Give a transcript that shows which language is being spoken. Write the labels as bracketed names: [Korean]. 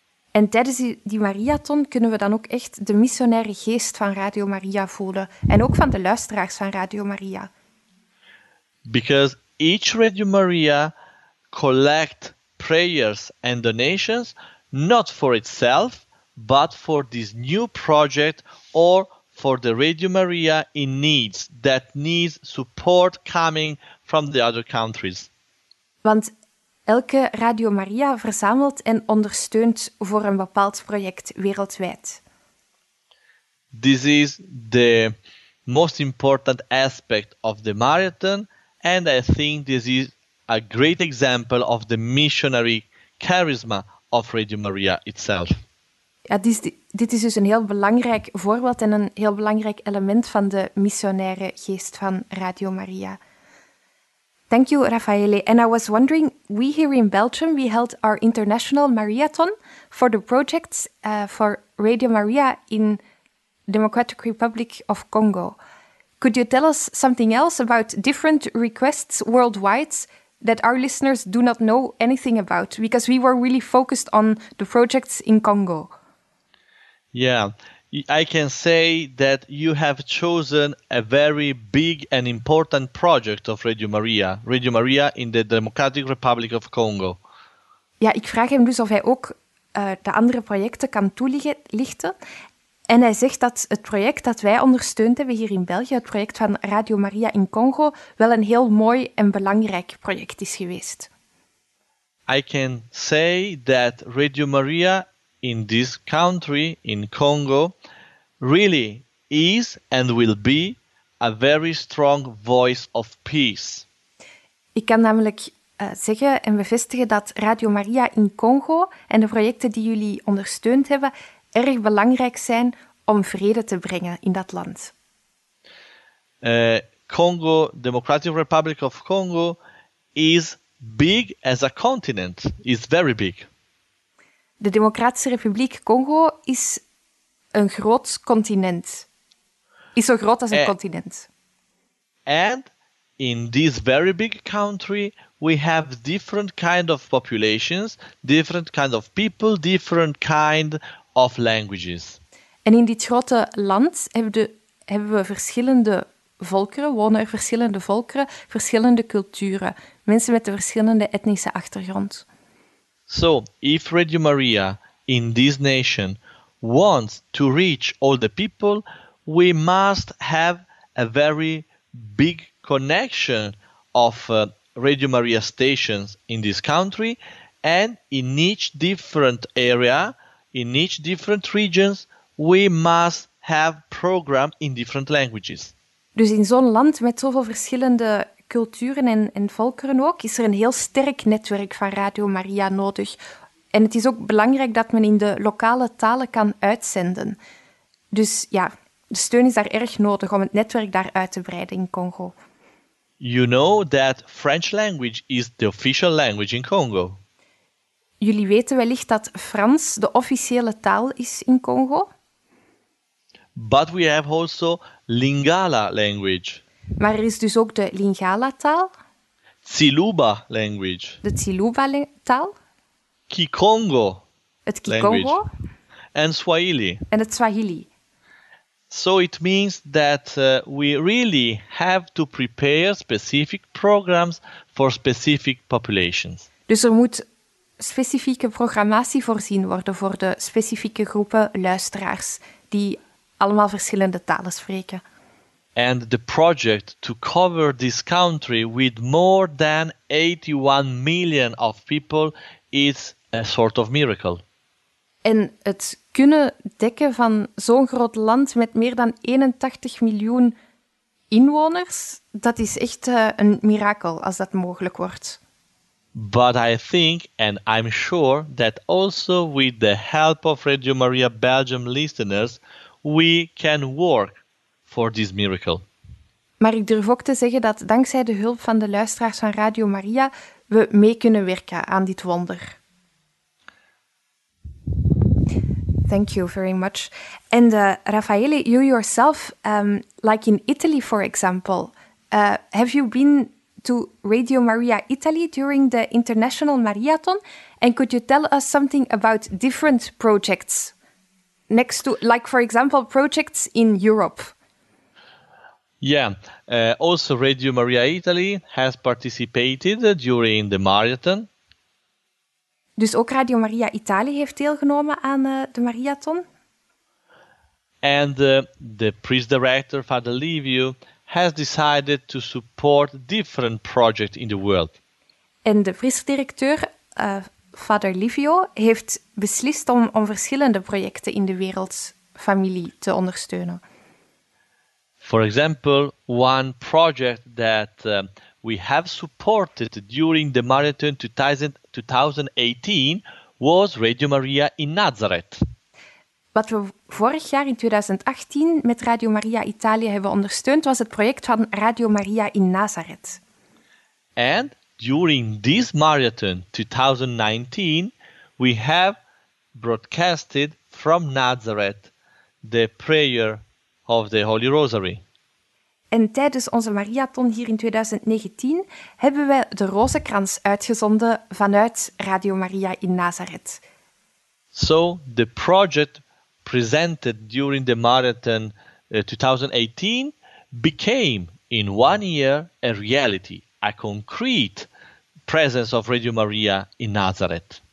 [Dutch] En tijdens die Mariathon kunnen we dan ook echt de missionaire geest van Radio Maria voelen en ook van de luisteraars van Radio Maria. [English] Because each Radio Maria collect prayers and donations not for itself, but for this new project or for the Radio Maria in needs that needs support coming from the other countries. [Dutch] Want elke Radio Maria verzamelt en ondersteunt voor een bepaald project wereldwijd. [English] This is the most important aspect of the Mariathon, and I think this is a great example of the missionary charisma of Radio Maria itself. [Dutch] Ja, dit is dus een heel belangrijk voorbeeld en een heel belangrijk element van de missionaire geest van Radio Maria. [English] Thank you, Raffaele. And I was wondering, we here in Belgium, we held our international Mariathon for the projects for Radio Maria in Democratic Republic of Congo. Could you tell us something else about different requests worldwide that our listeners do not know anything about? Because we were really focused on the projects in Congo. Yeah, I can say that you have chosen a very big and important project of Radio Maria in the Democratic Republic of Congo. [Dutch] Ja, ik vraag hem dus of hij ook de andere projecten kan toelichten. En hij zegt dat het project dat wij ondersteund hebben hier in België, het project van Radio Maria in Congo, wel een heel mooi en belangrijk project is geweest. [English] I can say that Radio Maria in this country, in Congo, really is and will be a very strong voice of peace. [Dutch] Ik kan namelijk zeggen en bevestigen dat Radio Maria in Congo en de projecten die jullie ondersteund hebben erg belangrijk zijn om vrede te brengen in dat land. [English] Congo, Democratic Republic of Congo, is big as a continent. It's very big. [Dutch] De Democratische Republiek Congo is een groot continent. Is zo groot als een continent. [English] And in this very big country, we have different kind of populations, different kind of people, different kind of languages. [Dutch] En in dit grote land hebben we verschillende volkeren, wonen er verschillende volkeren, verschillende culturen, mensen met een verschillende etnische achtergrond. [English] So, if Radio Maria in this nation wants to reach all the people, we must have a very big connection of Radio Maria stations in this country and in each different area, in each different regions, we must have program in different languages. [Dutch] Dus in zo'n land met zoveel verschillende culturen en volkeren ook, is er een heel sterk netwerk van Radio Maria nodig. En het is ook belangrijk dat men in de lokale talen kan uitzenden. Dus ja, de steun is daar erg nodig om het netwerk daar uit te breiden in Congo. [English] You know that French language is the official language in Congo. [Dutch] Jullie weten wellicht dat Frans de officiële taal is in Congo. [English] But we have also Lingala language. [Dutch] Maar er is dus ook de Lingala-taal. [English] Tsiluba language. [Dutch] De Tsiluba-taal. [English] Kikongo. [Dutch] Het Kikongo. En Swahili. En het Swahili. [English] So it means that we really have to prepare specific programs for specific populations. [Dutch] Dus er moet specifieke programmatie voorzien worden voor de specifieke groepen luisteraars die allemaal verschillende talen spreken. [English] And the project to cover this country with more than 81 million of people is a sort of miracle. [Dutch] En het kunnen dekken van zo'n groot land met meer dan 81 miljoen inwoners, dat is echt een mirakel als dat mogelijk wordt. [English] But I think and I'm sure that also with the help of Radio Maria Belgium listeners, we can work for this miracle. [Dutch] Maar ik durf ook te zeggen dat dankzij de hulp van de luisteraars van Radio Maria we mee kunnen werken aan dit wonder. [English] Thank you very much. And Raffaele, you yourself, like in Italy, for example, have you been to Radio Maria Italy during the International Mariathon? And could you tell us something about different projects next to, like, for example, projects in Europe? Yeah, also Radio Maria Italy has participated during the Mariathon. [Dutch] Dus ook Radio Maria Italië heeft deelgenomen aan de Mariathon. [English] And the priest director, Father Livio, has decided to support different projects in the world. [Dutch] En de priest directeur, Father Livio, heeft beslist om verschillende projecten in de wereldfamilie te ondersteunen. [English] For example, one project that we have supported during the Mariathon 2018 was Radio Maria in Nazareth. [Dutch] Wat we vorig jaar in 2018 met Radio Maria Italië hebben ondersteund, was het project van Radio Maria in Nazareth. [English] And during this Mariathon 2019, we have broadcasted from Nazareth the prayer of the Holy Rosary. [Dutch] En tijdens onze Mariathon hier in 2019 hebben wij de rozenkrans uitgezonden vanuit Radio Maria in Nazareth. [English] So, the project presented during the Mariathon 2018 became in one year a reality, a concrete presence of Radio Maria in Nazareth.